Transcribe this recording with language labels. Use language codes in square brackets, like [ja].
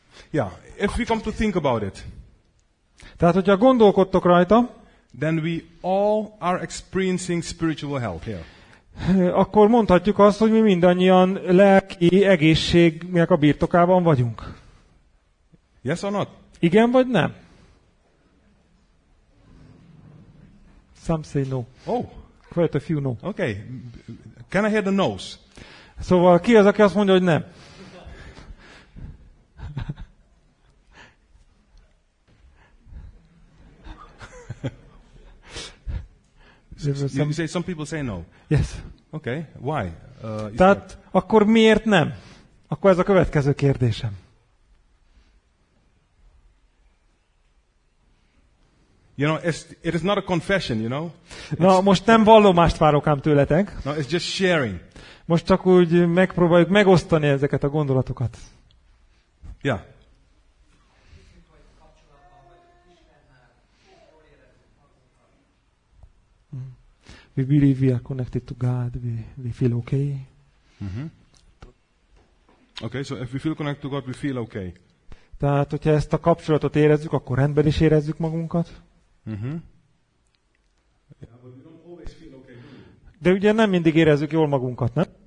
[en] Yeah, if we come to think about it. [hu] Tehát, hogyha gondolkodtok rajta, [en] then we all are experiencing spiritual health here. [hu] Akkor mondhatjuk azt, hogy mi mindannyian lelki egészségnek a birtokában vagyunk. [en] Yes or not? [hu] Igen vagy nem? [en] Some say no. Oh, quite a few no. Okay. Can I hear the no's? [hu] Szóval ki az, aki azt mondja, hogy nem? [en] You say some people say no. Yes. Okay. Why? [hu] Tehát akkor miért nem? Akkor ez a következő kérdésem. [en] You know, it is not a confession, you know. [hu] Na, most nem vallomást várok ám tőletek. [en] No, it's just sharing. [hu] Most csak úgy megpróbáljuk megosztani ezeket a gondolatokat. [en] Yeah. We believe we are connected to God. We feel okay. Okay, so if we feel connected to God, we feel okay. [hu] Tehát, hogyha ezt a kapcsolatot érezzük, akkor rendben is érezzük magunkat. [en] Yeah, but we don't always feel okay. [hu] De ugye nem mindig érezzük jól magunkat, nem?